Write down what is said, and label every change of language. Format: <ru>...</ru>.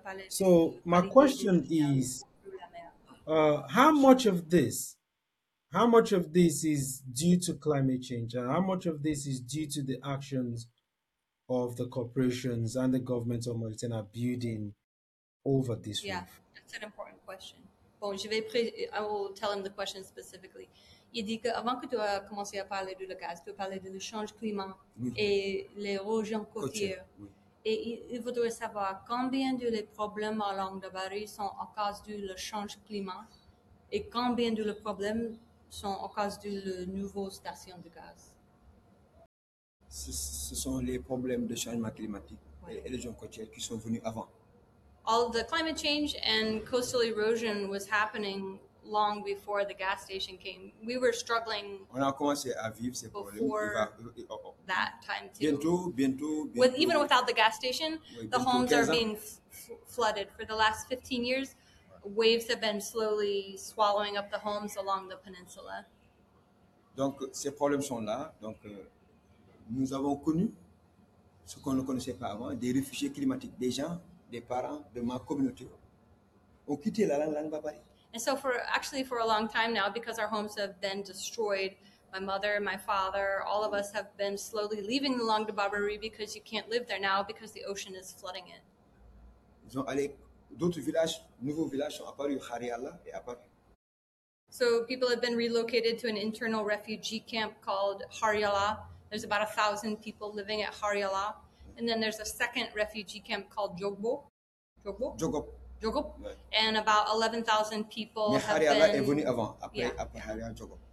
<en>So my question is, how much of this is due to climate change, and how much of this is due to the actions of the corporations and the government of Mauritania building over this reef? An important question. Bon, I will tell him the question specifically.</en> <fr>Il dit que avant que tu aies commencé à parler du gaz, tu as parlé du changement climatique et l'érosion côtière. Oui. Et il voudrait savoir combien de les problèmes à Langue de Barry sont à cause du changement climatique et combien de les problèmes sont à cause du nouveau station de gaz. Ce sont les problèmes de changement climatique et l'érosion côtière qui sont venus avant.</fr> <en>All the climate change and coastal erosion was happening long before the gas station came. We were struggling.</en> <fr>On a commencé à vivre ces problèmes</fr> <en>before that time too.</en> <fr>Bientôt.</fr> <en>With, even without the gas station, oui, the homes are being flooded. For the last 15 years, waves have been slowly swallowing up the homes along the peninsula.</en> <fr>Donc ces problèmes sont là. Donc nous avons connu ce qu'on ne connaissait pas avant, des réfugiés climatiques, des gens, des parents de ma communauté ont quitté la langue Barbary.</fr> <en>And so for a long time now, because our homes have been destroyed, my mother, my father, all of us have been slowly leaving the langue de Barbary because you can't live there now because the ocean is flooding it.</en> <fr>Ils ont allé d'autres villages, nouveaux villages sont apparus, Harialla et apparus.</fr> <en>So people have been relocated to an internal refugee camp called Harialla. There's about 1,000 people living at Harialla. And then there's a second refugee camp called Jogbo.</en> <fr>Ouais.</fr> <en>And about 11,000 people</en> <fr>Mais</fr> <en>have</en> <fr>Harialla</fr> <en>been...</en> <fr>est venu avant, après, yeah. après Harialla, Jogbo.</fr>